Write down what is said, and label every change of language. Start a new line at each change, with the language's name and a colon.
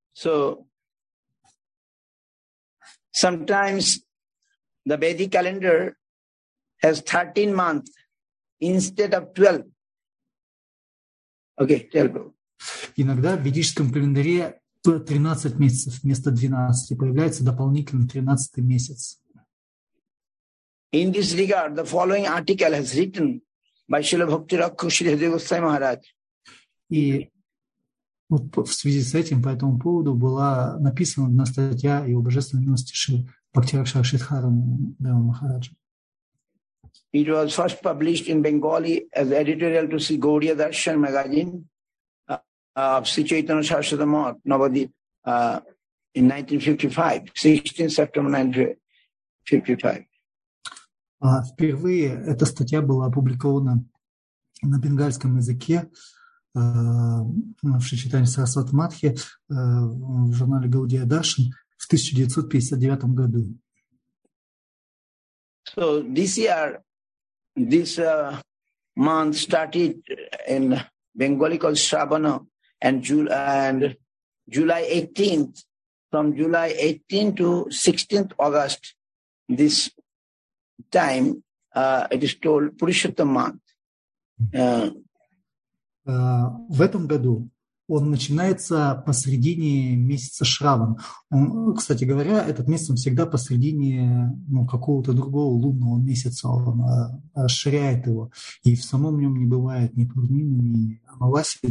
English: So, sometimes the Vedic calendar has 13 months instead of 12. Okay, tell me.
Russian: Иногда в ведическом календаре 13 месяцев вместо 12 появляется дополнительный 13 месяц.
English: In this regard, the following article has written by Srila Bhakti Rakhav Shri Hadev Goswami Maharaj.
Russian: И вот в связи с этим, по этому поводу, была написана одна статья его божественной милости Шри Бхакти Ракшак Шридхарадев Махараджа.
English: It was first published in Bengali as editorial to Sri Gaudiya Darshan magazine of Sri Chaitanya Saraswati Math, Navadvip, in 1955, 16 September 1955.
Russian: Впервые эта статья была опубликована на бенгальском языке в Sri Chaitanya Saraswati Math в журнале Gaudiya Darshan в 1959 году.
English: So this year, this month started in Bengali called Shravana and July 18th, from July 18th to 16th August, this time it is told Purushottam month.
Russian: В этом году он начинается посредине месяца Шраван. Он, кстати говоря, этот месяц он всегда посредине какого-то другого лунного месяца. Он расширяет его. И в самом нем не бывает ни Пурнимы, ни Амавасии.